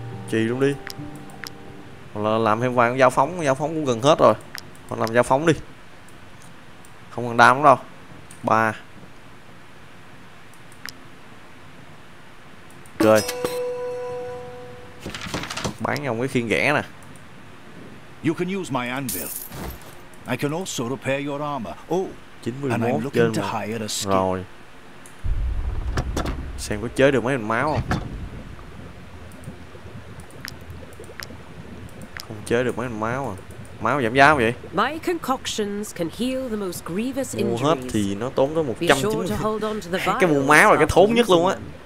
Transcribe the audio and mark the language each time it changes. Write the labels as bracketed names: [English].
[Vietnamese] Chì luôn đi. Hoặc là làm thêm vài con dao phóng. Dao phóng cũng gần hết rồi. Hoặc làm dao phóng đi. Không cần đam đâu. 3. Rồi. Bán nhau cái khiên ghẻ nè. [English] You can use my anvil. I can also repair your armor. Oh, and I'm looking to hire a skill. [Vietnamese] Rồi. Xem có chế được mấy con máu không? Không chế được mấy con máu à? Máu giảm giá vậy? [English] My concoctions can heal the most grievous injuries. [Vietnamese] Mua hết thì nó tốn tới 190. Cái mua máu là cái thốn nhất luôn á.